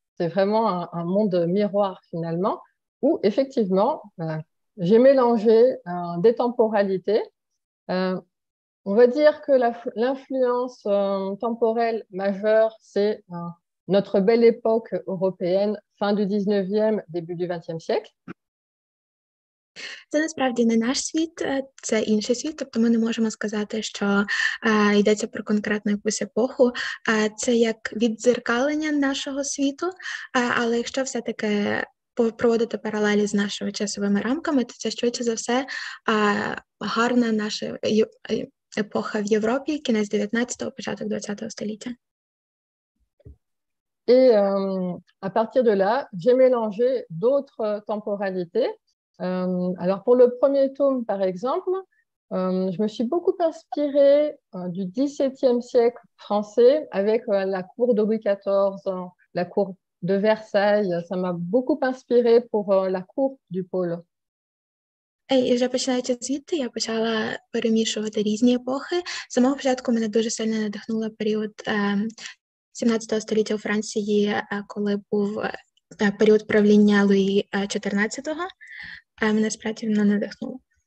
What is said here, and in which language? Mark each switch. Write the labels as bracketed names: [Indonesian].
[French] C'est vraiment un monde miroir, finalement, où, effectivement, j'ai mélangé des temporalités. On va dire que l'influence temporelle majeure, c'est notre belle époque européenne, fin du 19e, début du 20e siècle. [Ukrainian] Це насправді не наш світ, це інший світ, тобто ми не можемо сказати, що йдеться про конкретну якусь епоху. Це як віддзеркалення нашого світу, але якщо все-таки проводити паралелі з нашими часовими рамками, то це, швидше за все, гарна наша епоха в Європі, кінець 19-го, початок 20-го століття. [French] Et à partir de là, j'ai mélangé d'autres temporalités. Alors pour le premier tome, par exemple, je me suis beaucoup inspirée du XVIIe siècle français avec la cour de Louis XIV, la cour de Versailles. Ça m'a beaucoup inspirée pour la cour du pôle. [Ukrainian] І вже починаючи звідти, я почала перемішувати різні епохи. З самого початку мене дуже сильно надихнула період 17 століття у Франції, коли був період правління Луї 14-го, мене справді вона надихнула.